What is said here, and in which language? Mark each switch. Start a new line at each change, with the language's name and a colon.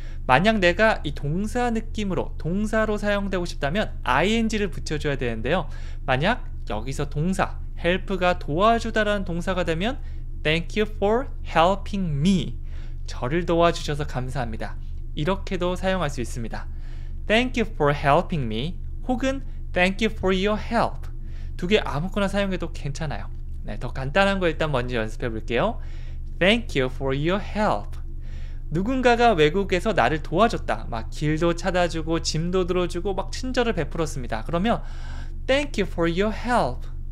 Korean: 만약 내가 이 동사 느낌으로, 동사로 사용되고 싶다면 ing를 붙여줘야 되는데요. 만약 여기서 동사, help가 도와주다라는 동사가 되면
English: Thank you for helping me.
Korean: 저를 도와주셔서 감사합니다. 이렇게도 사용할 수 있습니다.
English: Thank you for helping me 혹은 Thank you for your help.
Korean: 두 개 아무거나 사용해도 괜찮아요. 네, 더 간단한 거 일단 먼저 연습해 볼게요.
English: Thank you for your help.
Korean: 누군가가 외국에서 나를 도와줬다. 막 길도 찾아주고 짐도 들어주고 막 친절을 베풀었습니다. 그러면
English: Thank you for your help.